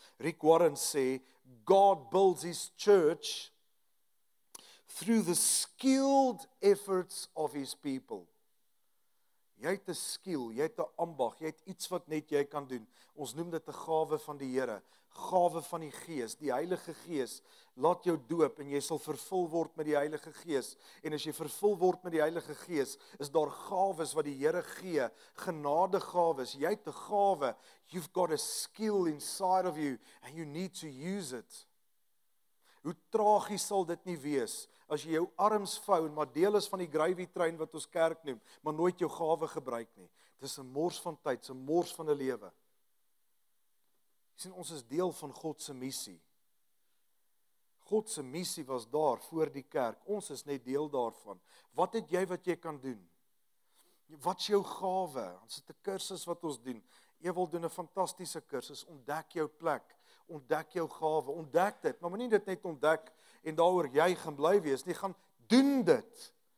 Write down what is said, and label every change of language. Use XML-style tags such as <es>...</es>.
<af>Rick Warren sê,</af> <en>God builds his church through the skilled efforts of his people.</en> <af>Jy het 'n skill, jy het 'n ambag, jy het iets wat net jy kan doen. Ons noem dit 'n gawe van die Here, gawe van die Gees, die Heilige Gees. Laat jou doop en jy sal vervul word met die Heilige Gees. En as jy vervul word met die Heilige Gees, is daar gawes wat die Here gee, genadegawes. Jy het 'n gawe.</af> <en>You've got a skill inside of you and you need to use it.</en> <af>Hoe tragies sal dit nie wees, as jy jou arms vou en maar deel is van die gravy train wat ons kerk noem, maar nooit jou gawe gebruik nie. Dit is 'n mors van tyd, 'n mors van 'n lewe. Jy sien, ons is deel van God se missie. God se missie was daar voor die kerk. Ons is net deel daarvan. Wat het jy wat jy kan doen? Wat is jou gawe? Ons het 'n kursus wat ons doen. Ewel doen 'n fantastiese kursus. Ontdek jou plek. Ontdek jou gawe, ontdek dit, maar moenie dit net ontdek en daaroor jy gaan bly wees, nie, gaan doen dit.</af>